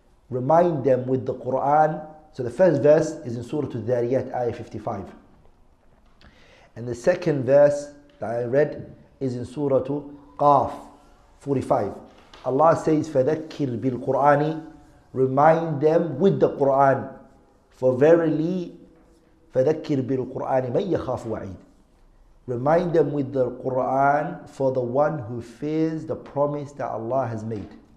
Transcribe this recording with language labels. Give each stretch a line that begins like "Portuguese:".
English: Remind them with the Qur'an. So the first verse is in Surah Al-Dhariyat, ayah 55. And the second verse that I read is in Surah Qaf 45. Allah says,
Arabic: فَذَكِّرْ بِالْقُرْآنِ.
English: Remind them with the Qur'an. For verily,
Arabic: فَذَكِّرْ بِالْقُرْآنِ مَنْ يَخَافُ وَعِيدٍ.
English: Remind them with the Qur'an for the one who fears the promise that Allah has made.